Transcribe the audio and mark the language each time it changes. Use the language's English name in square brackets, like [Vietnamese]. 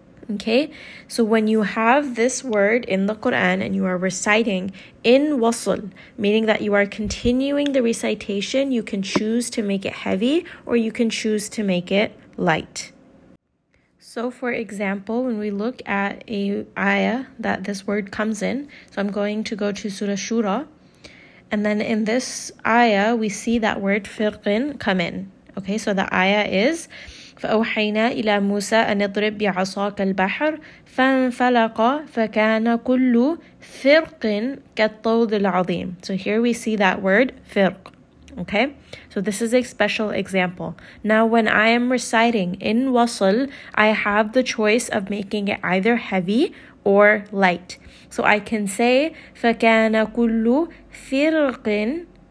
[English] Okay, so when you have this word in the Quran and you are reciting in wasl, meaning that you are continuing the recitation, you can choose to make it heavy or you can choose to make it light. So for example, when we look at a ayah that this word comes in, so I'm going to go to Surah Shura, and then in this ayah, we see that word firqin come in. Okay, so the ayah is, [Arabic] فَأَوْحَيْنَا إِلَى مُوسَىٰ أَنِ اضْرِبْ بِعَصَاكَ الْبَحْرِ فَانْفَلَقَ فَكَانَ كُلُّ فِرْقٍ كَالطَّوْدِ الْعَظِيمِ. [English] So here we see that word, firq. Okay, so this is a special example. Now when I am reciting in wasl, I have the choice of making it either heavy or light. So I can say, [Arabic] فَكَانَ كُلُّ فِرْقٍ.